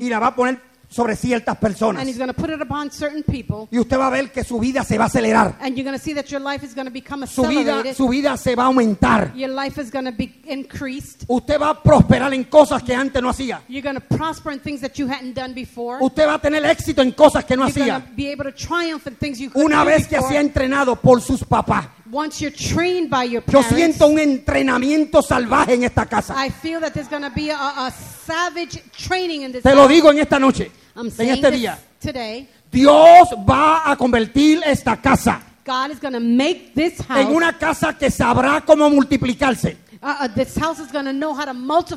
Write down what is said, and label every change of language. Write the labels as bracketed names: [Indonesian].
[Spanish] Y la va a poner sobre ciertas personas. [English] And he's going to put it upon certain people. [Spanish] Y usted va a ver que su vida se va a acelerar. [English] And you're going to see that your life is going to become accelerated. [Spanish] Su vida se va a aumentar. [English] Your life is going to be increased. [Spanish] Usted va a prosperar en cosas que antes no hacía. [English] You're going to prosper in things that you hadn't done before. [Spanish] Usted va a tener éxito en cosas que no [English] you're [Spanish] hacía. [English] You're going to be able to triumph in things you couldn't [Spanish] una vez [English] do before. [Spanish] Que se ha entrenado por sus papás. [English] Once you're trained by your parents, [Spanish] yo siento un entrenamiento salvaje en esta casa. [English] I feel that there's going to be a savage training in this [Spanish] Te [English] house. [Spanish] Lo digo en esta noche, [English] I'm [Spanish] en este día. [English] Today. [Spanish] Dios va a convertir esta casa [English] God is going to make this house [Spanish] en una casa que sabrá cómo multiplicarse. [English] This house is going to know how to multiply